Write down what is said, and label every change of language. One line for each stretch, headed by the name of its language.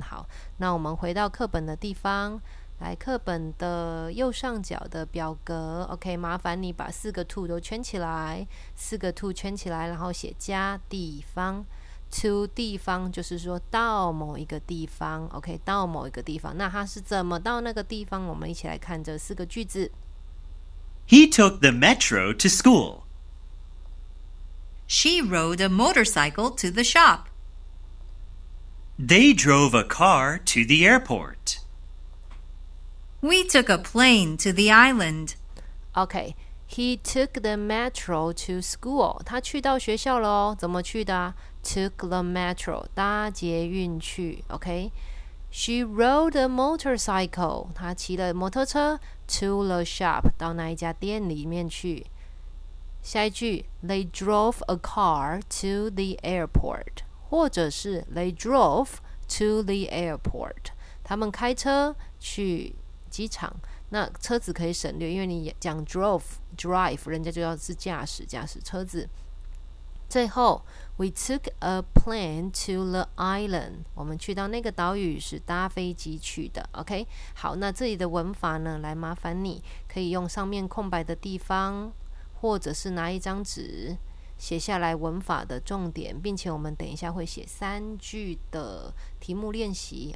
Chinese: 好，那我们回到课本的地方，来课本的右上角的表格。 OK，麻烦你把四个 to 都圈起来，四个 to 圈起来，然后写家、地方。 to 地方就是说到某一个地方。 OK，到某一个地方，那它是怎么到那个地方？我们一起来看这四个句子。
English: He took the metro to school. She rode a motorcycle to the shop. They drove a car to the airport. We took a plane to the island. Okay, he took the metro to school.
Chinese: 他去到学校了哦，怎么去的啊？
English: Took the metro,
Chinese: 搭捷运去。
English: Okay, she rode a motorcycle.
Chinese: 他骑了摩托车
English: to the shop,
Chinese: 到那一家店里面去。下一句，
English: They drove a car to the airport，
Chinese: 或者是
English: They drove to the airport。
Chinese: 他们开车去机场，那车子可以省略，因为你讲 drive，人家就要是驾驶车子。最后，
English: We took a plane to the island。
Chinese: 我们去到那个岛屿是搭飞机去的。OK，好，那这里的文法呢，来麻烦你可以用上面空白的地方。或者是拿一张纸写下来文法的重点，并且我们等一下会写三句的题目练习。